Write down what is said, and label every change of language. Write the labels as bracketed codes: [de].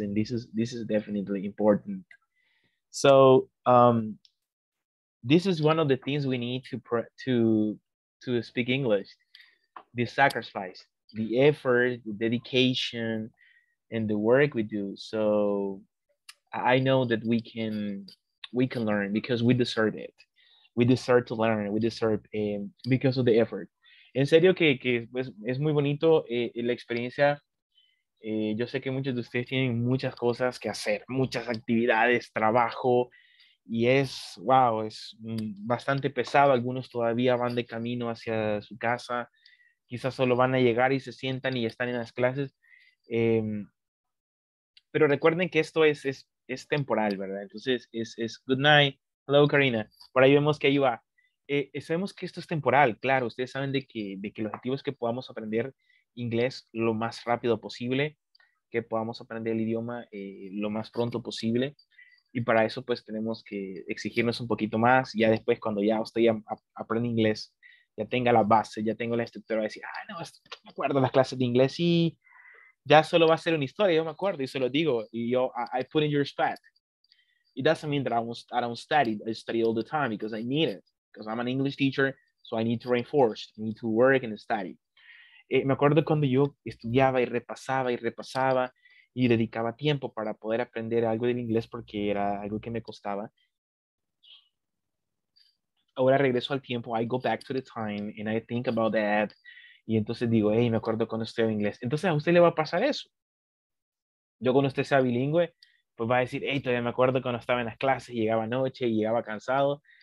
[en] And this is definitely important. So, this is one of the things we need to speak English, the sacrifice. The effort, the dedication, and the work we do. So I know that we can learn because we deserve it. We deserve to learn. We deserve because of the effort. [es] En serio que pues, es muy bonito la experiencia. Yo sé que muchos de ustedes tienen muchas cosas que hacer, muchas actividades, trabajo, y es bastante pesado. Algunos todavía van de camino hacia su casa. Quizás solo van a llegar y se sientan y están en las clases. Pero recuerden que esto es temporal, ¿verdad? Entonces, es [en] good night. Hello, [es] Karina. Por ahí vemos que ahí va. Sabemos que esto es temporal, claro. Ustedes saben de que el objetivo es que podamos aprender inglés lo más rápido posible, que podamos aprender el idioma lo más pronto posible. Y para eso, pues, tenemos que exigirnos un poquito más. Ya después, cuando ya usted ya aprende inglés, ya tenga la base, ya tengo la estructura, va a decir, ah, no, me acuerdo las clases de inglés, sí, ya solo va a ser una historia, yo me acuerdo y se lo digo, y yo, [en] I put in your spot. It doesn't mean that I don't study, I study all the time because I need it, because I'm an English teacher, so I need to reinforce, I need to work and study. [es] Me acuerdo cuando yo estudiaba y repasaba y repasaba y dedicaba tiempo para poder aprender algo del inglés porque era algo que me costaba. Ahora regreso al tiempo, [en] I go back to the time and I think about that. [es] Y entonces digo, hey, me acuerdo cuando estudiaba inglés. Entonces a usted le va a pasar eso. Yo cuando usted sea bilingüe, pues va a decir, hey, todavía me acuerdo cuando estaba en las clases, llegaba anoche, llegaba cansado.